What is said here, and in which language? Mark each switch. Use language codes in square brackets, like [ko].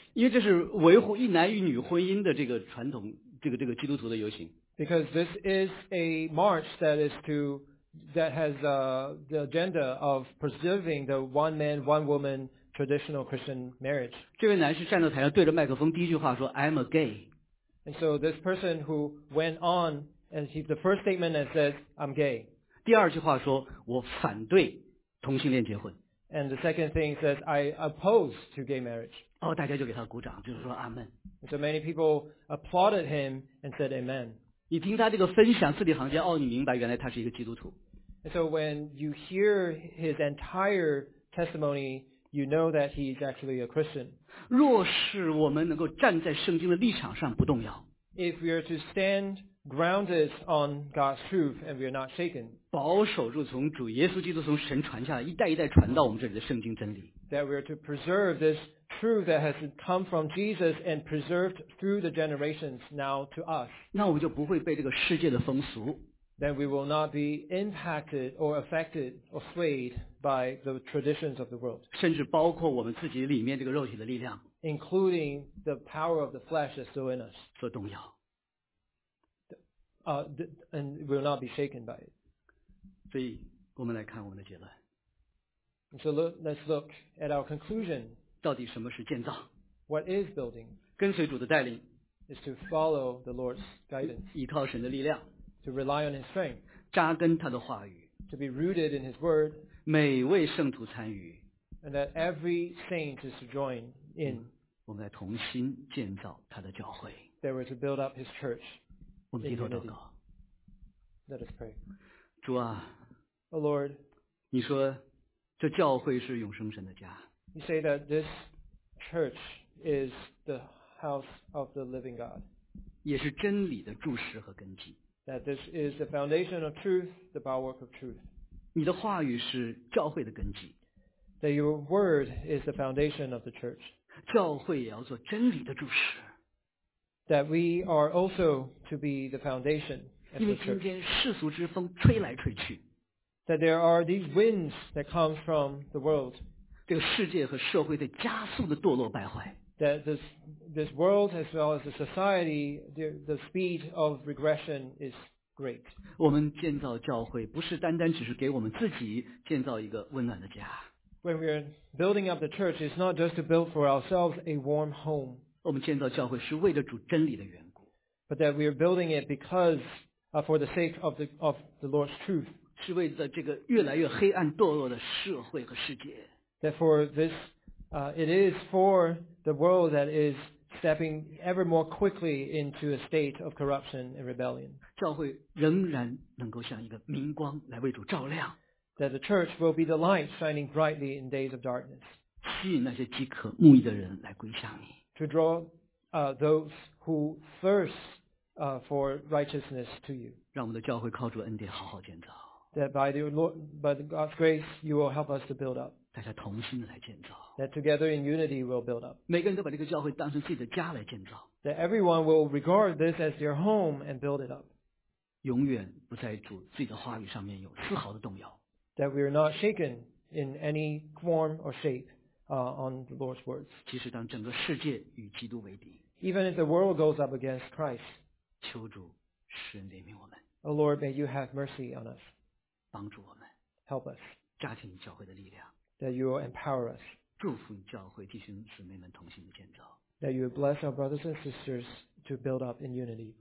[zh] 因为这是维护一男一女婚姻的这个传统，这个基督徒的游行。 [en] Because this is a march that has the agenda of preserving the one man, one woman traditional Christian marriage. [zh] 这位男士站到台上对着麦克风第一句话说 [en] I'm a gay. And so this person who went on and he, the first statement that says I'm gay. [zh] 第二句话说我反对同性恋结婚。 [en] And the second thing says I oppose to gay marriage. [zh] 哦，大家就给他鼓掌，就是说阿们。 [en] And so many people applauded him and said amen. [zh] 你听他这个分享字里行间，哦，你明白原来他是一个基督徒。 [en] And so when you hear his entire testimony, you know that he's actually a Christian. [zh] 若是我们能够站在圣经的立场上不动摇。 [en] If we are to stand grounded on God's truth and we are not shaken. [zh] 保守住从主耶稣基督从神传下来一代一代传到我们这里的圣经真理。 [en] That we are to preserve this truth that has come from Jesus and preserved through the generations now to us. [zh] 那我们就不会被这个世界的风俗。 [en] Then we will not be impacted or affected or swayed by the traditions of the world. [zh] 甚至包括我们自己里面这个肉体的力量。 [en] Including the power of the flesh that's still in us. [zh] 所动摇。 [en] And will not be shaken by it. [zh] 所以我们来看我们的结论。 [en] So let's look at our conclusion. [zh] 到底什么是建造？ [en] What is building? [zh] 跟随主的带领。 [en] Is to follow the Lord's guidance. [zh] 依靠神的力量。 [en] To rely on His strength. [zh] 扎根他的话语。 [en] To be rooted in His word. [zh] 每位圣徒参与。 [en] And that every saint is to join in. [zh] 我们来同心建造他的教会。 [en] They were to build up His church. [zh] 我们低头祷告。 [en] Let us pray. [zh] 主啊。 [en] O Lord. [zh] 你说这教会是永生神的家。 [en] You say that this church is the house of the living God. [zh] 也是真理的柱石和根基。 [en] That this is the foundation of truth, the bulwark of truth. [zh] 你的话语是教会的根基。 [en] That your word is the foundation of the church. [zh] 教会也要做真理的柱石。 [en] That we are also to be the foundation of the church. [zh] 因为今天世俗之风吹来吹去。 [en] That there are these winds that come from the world. [zh] 这个世界和社会在加速的堕落败坏。 [en] That this world as well as the society, the speed of regression is great. [zh] 我们建造教会不是单单只是给我们自己建造一个温暖的家。 [en] When we are building up the church, it's not just to build for ourselves a warm home. [zh] 我们建造教会是为了主真理的缘故。 [en] But that we are building it because, for the sake of the Lord's truth. [zh] 是为了这个越来越黑暗堕落的社会和世界。 [en] Therefore, this, it is for the world that is stepping ever more quickly into a state of corruption and rebellion. [zh] 教会仍然能够像一个明光来为主照亮。 [en] That the church will be the light shining brightly in days of darkness. [zh] 吸引那些饥渴慕义的人来归向你。 [en] To draw those who thirst for righteousness to you. [zh] 让我们的教会靠主恩典好好建造。 [en] That by the Lord, by God's grace, you will help us to build up. [zh] 大家同心的来建造。 [en] That together in unity will build up. [zh] 每个人都把这个教会当成自己的家来建造。 [en] That everyone will regard this as their home and build it up. [zh] 永远不在主自己的话语上面有丝毫的动摇。 [en] That we are not shaken in any form or shape, on the Lord's words. [zh] 即使当整个世界与基督为敌。 [en] Even if the world goes up against Christ. [zh] 求主施恩怜悯我们。 [en] O Lord, may you have mercy on us. [zh] 帮助我们。 [en] Help us. [zh] 加强你教会的力量。 [en] That you will empower us. [zh] 祝福你教会弟兄姊妹们同心的建造。 [en] That you will bless our brothers and sisters to build up in unity.